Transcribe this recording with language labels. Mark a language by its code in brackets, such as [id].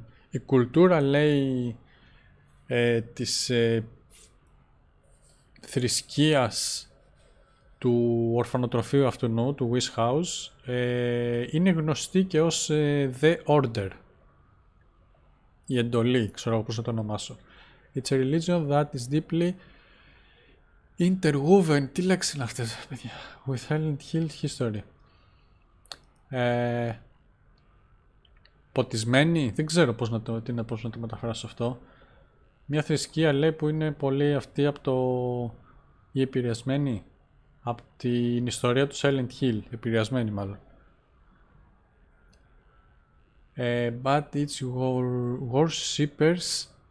[el] Η κουλτούρα λέει της θρησκείας του ορφανοτροφείου αυτού νου, του Wish House, είναι γνωστή και ως The Order. Η εντολή, ξέρω πώς να το ονομάσω. [en] It's a religion that is deeply interwoven. [el] Τι λέξη είναι αυτές, παιδιά. [en] With Silent Hill history. [el] Ποτισμένη, δεν ξέρω πώς να το, τι είναι, πώς να το μεταφράσω αυτό. Μια θρησκεία, λέει, που είναι πολύ αυτή από το... η επηρεασμένη. Από την ιστορία του Silent Hill, επηρεασμένη μάλλον. [en] But it's your worshippers.